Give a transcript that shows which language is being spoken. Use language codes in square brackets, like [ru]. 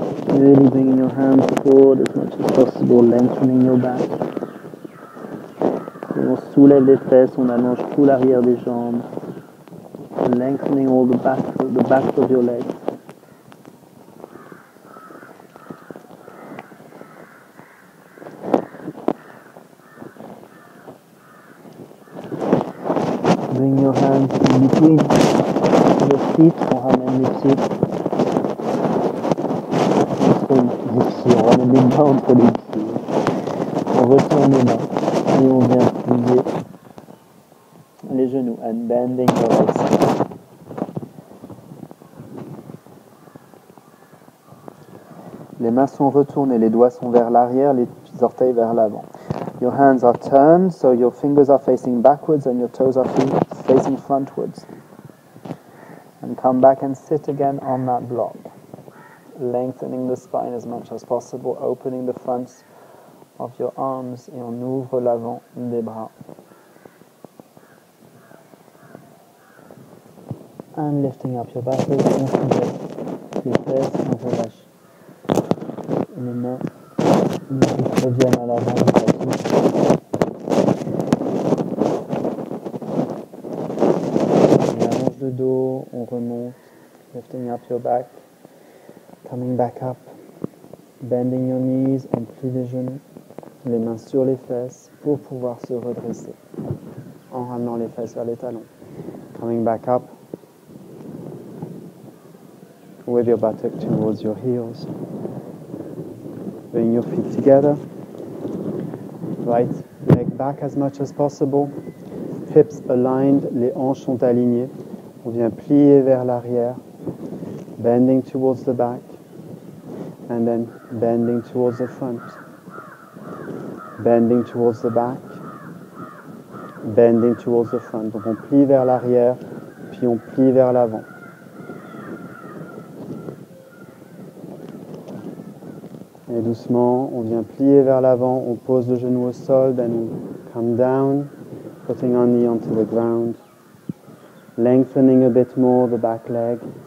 [en] Really bringing your hands forward as much as possible, lengthening your back. [fr] On soulève les fesses, on allonge tout l'arrière des jambes. [en] Lengthening all the back of your legs. Bring your hands in between the feet, [fr] on ramène les pieds. On ramène les mains entre les pieds. On retourne les mains. Et on vient plier les genoux [en] and bending your legs. [fr] Les mains sont retournées, les doigts sont vers l'arrière, les orteils vers l'avant. [en] Your hands are turned, so your fingers are facing backwards and your toes are facing frontwards. And come back and sit again on that block. Lengthening the spine as much as possible, opening the fronts of your arms, [fr] et on ouvre l'avant des bras. [en] And lifting up your back, [fr] les fesses sont relâchées. Les mains reviennent à l'avant du tapis. On allonge le dos, on remonte. [en] Lifting up your back, coming back up. Bending your knees, [fr] on plie les genoux. Les mains sur les fesses pour pouvoir se redresser en ramenant les fesses vers les talons. [en] Coming back up with your buttock towards your heels. Bring your feet together. Right leg back as much as possible. Hips aligned, [fr] les hanches sont alignées. On vient plier vers l'arrière. [en] Bending towards the back. And then bending towards the front. Bending towards the back, bending towards the front. [fr] Donc on plie vers l'arrière, puis on plie vers l'avant. Et doucement, on vient plier vers l'avant, on pose le genou au sol, [en] then we come down, putting our knee onto the ground, lengthening a bit more the back leg.